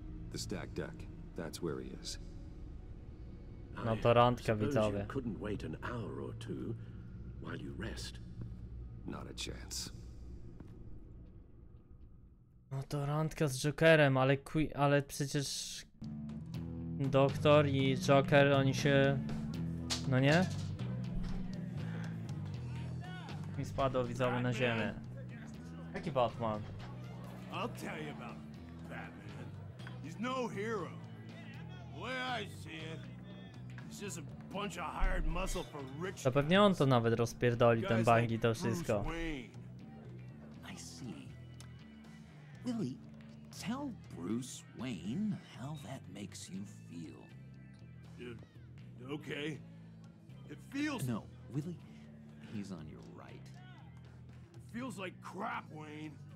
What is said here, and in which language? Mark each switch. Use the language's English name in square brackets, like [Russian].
[English] The stack deck. That's where he is. [Polish] No to randka, widzowie. [English] You couldn't wait an hour or two while you rest. Not a chance. [Polish] No to randka z Jokerem, ale przecież doktor i Joker, oni się, no nie? Mi spadło, widzowie, na ziemię. Jaki Batman? [English] I'll tell you about Batman. He's no hero. The way I see it, it's just a bunch of hired muscle for rich. [Polish] To pewnie on to nawet rozpierdoli, ten bang i to wszystko. [English] I see. Willie, tell Bruce Wayne how that makes you feel. Okay. It feels... No, Willie, he's on your right. It feels like crap, Wayne.